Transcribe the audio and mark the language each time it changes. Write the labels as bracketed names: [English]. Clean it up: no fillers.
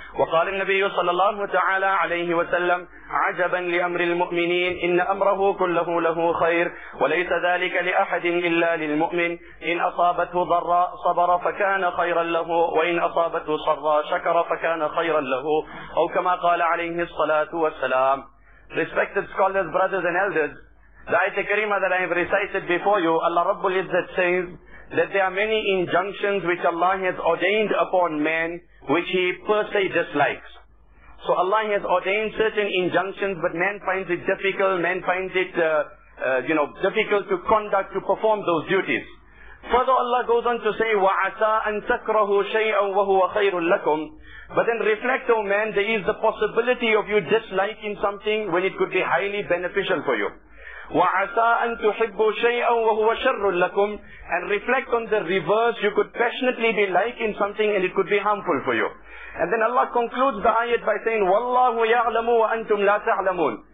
[Arabic] وقال النبي صلى الله تعالى عليه وسلم عجبا لأمر المؤمنين إن أمره كله له خير وليس ذلك لأحد إلا للمؤمن إن أصابته ضراء صبر فكان خيرا له وإن أصابته سراء شكر فكان خيرا له أو كما قال عليه الصلاة والسلام. [English] Respected scholars, brothers and elders, the ayat al-kareema that I have recited before you, Allah Rabbul Izzat says that there are many injunctions which Allah has ordained upon man which he per se dislikes. So Allah has ordained certain injunctions, but man finds it difficult, man finds it, difficult to conduct, to perform those duties. Further, Allah goes on to say, [Arabic] وَعَسَىٰ أَن تَكْرَهُ شَيْئًا وَهُوَ خَيْرٌ لَكُمْ. [English] But then reflect, O man, there is the possibility of you disliking something when it could be highly beneficial for you. [Arabic] وَعَسَىٰ أَن تُحِبُّ شَيْئًا وَهُوَ شَرٌ لَكُمْ. [English] And reflect on the reverse, you could passionately be liking something and it could be harmful for you. And then Allah concludes the ayat by saying, [Arabic] وَاللَّهُ يَعْلَمُ وَأَنْتُمْ لَا تَعْلَمُونَ.